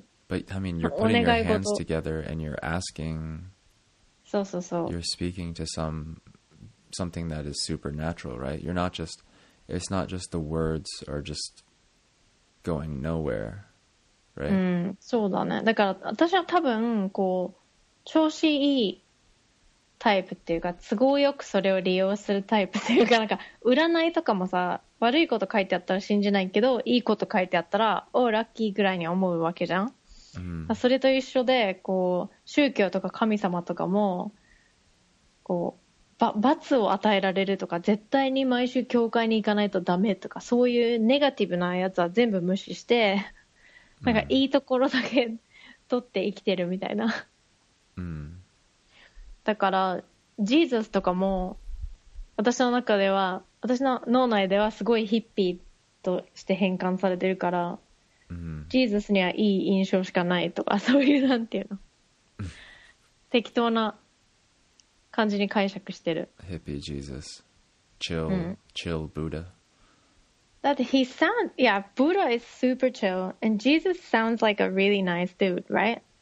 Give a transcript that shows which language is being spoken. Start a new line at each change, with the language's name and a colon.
English: But I mean, you're putting your hands together and you're asking.
Japanese: そうそうそう。
English: You're speaking to something that is supernatural, right? You're not just, it's not just the words are just going nowhere, right?
Japanese: そうだね。だから私は多分こう調子いいタイプっていうか都合よくそれを利用するタイプっていうか、なんか占いとかもさ、悪いこと書いてあったら信じないけど、いいこと書いてあったらおーラッキーぐらいに思うわけじゃん。それと一緒でこう宗教とか神様とかもこう罰を与えられるとか、絶対に毎週教会に行かないとダメとか、そういうネガティブなやつは全部無視して、なんかいいところだけ取って生きてるみたいな。だからジーザスとかも私の中では、私の脳内ではすごいヒッピーとして変換されてるから、ジーザスにはいい印象しかないとか、そういうなんていうの適当な感じに解釈してる。
English: ヒッピージーザス、chill、chill Buddha。
Japanese: だって
English: he sound、yeah、Buddha is super chill and Jesus sounds like a really nice dude, right?